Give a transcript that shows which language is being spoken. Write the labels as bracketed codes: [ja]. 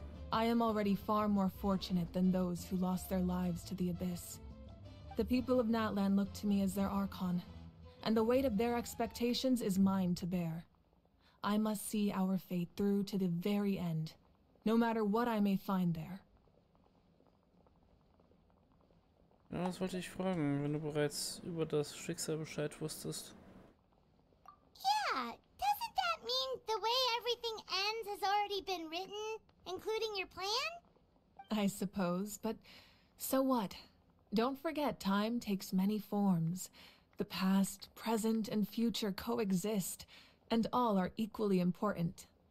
[en] I am already far more fortunate than those who lost their lives to the Abyss. The people of Natlan look to me as their Archon, and the weight of their expectations is mine to bear. I must see our fate through to the very end, no matter what I may find there. [de] Ja, was wollte ich fragen, wenn du bereits über das Schicksal Bescheid wusstest? [en] Yeah, doesn't that mean the way everything ends has already been written? Including your plan? I suppose, but so what? Don't forget, time takes many forms. The past, present, and future coexist, and all are equally important.